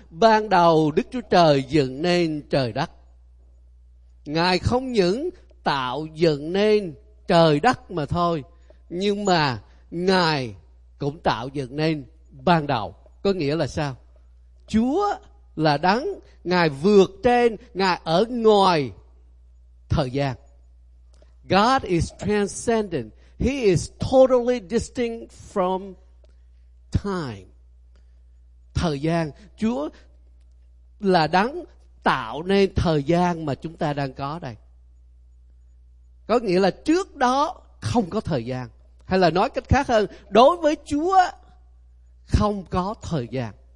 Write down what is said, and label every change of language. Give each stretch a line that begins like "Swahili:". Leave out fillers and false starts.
Vietnamese: Ban đầu Đức Chúa Trời dựng nên trời đất. Ngài không những tạo dựng nên trời đất mà thôi, nhưng mà Ngài cũng tạo dựng nên ban đầu. Có nghĩa là sao? Chúa là Đấng, Ngài vượt trên, Ngài ở ngoài thời gian.
English: God is transcendent. He is totally distinct from time.
Vietnamese: Thời gian, Chúa là đấng tạo nên thời gian mà chúng ta đang có đây. Có nghĩa là trước đó không có thời gian. Hay là nói cách khác hơn, đối với Chúa không có thời gian.